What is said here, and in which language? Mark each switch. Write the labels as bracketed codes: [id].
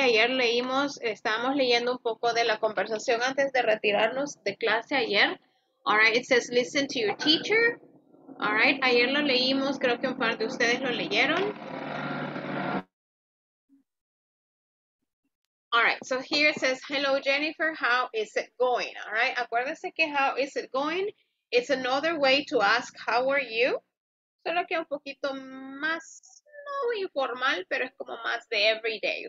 [es] Ayer leímos, estábamos leyendo un poco de la conversación antes de retirarnos de clase ayer. [en] All right, it says listen to your teacher. All right, [es] ayer lo leímos, creo que un par de ustedes lo leyeron. [en] All right, so here it says, hello Jennifer, how is it going? All right, [es] acuérdense que [en] how is it going? It's another way to ask how are you? [es] Solo que un poquito más informal, pero es como más de everyday.